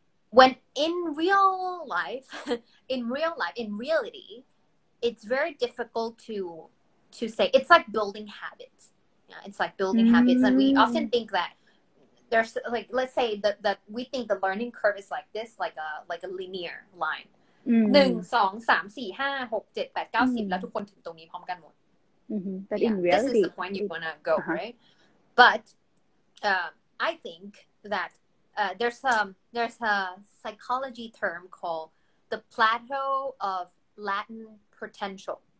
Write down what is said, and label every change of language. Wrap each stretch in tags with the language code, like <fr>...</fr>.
<en>When in real life, in reality, it's very difficult to say. It's like building habits. Yeah, it's like building habits. And we often think that there's like, let's say that we think the learning curve is like this, like a linear line. 1 2 3 4 5 6 7 8 9 10</en> <th>แล้วทุกคนถึงตรงนี้พร้อมกันหมด</th> <en>But in reality, this is the point you want to go, right? But I think that there's a psychology term called the plateau of Latin potential.</en>